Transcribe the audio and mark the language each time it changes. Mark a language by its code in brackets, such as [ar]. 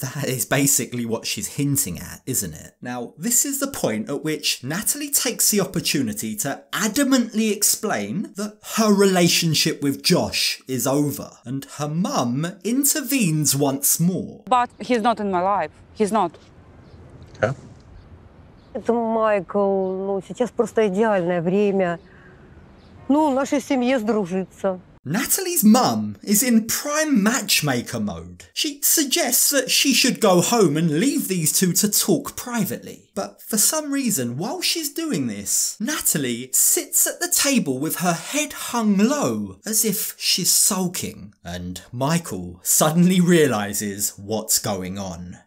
[en] That is basically what she's hinting at, isn't it? Now, this is the point at which Natalie takes the opportunity to adamantly explain that her relationship with Josh is over, and her mum intervenes once more. But he's not in my life. He's not. Yeah. [ru] Это Майкл, ну сейчас просто идеальное время. Ну, нашей семье сдружиться. [en] Natalie's mum is in prime matchmaker mode. She suggests that she should go home and leave these two to talk privately. But for some reason, while she's doing this, Natalie sits at the table with her head hung low as if she's sulking. And Michael suddenly realizes what's going on.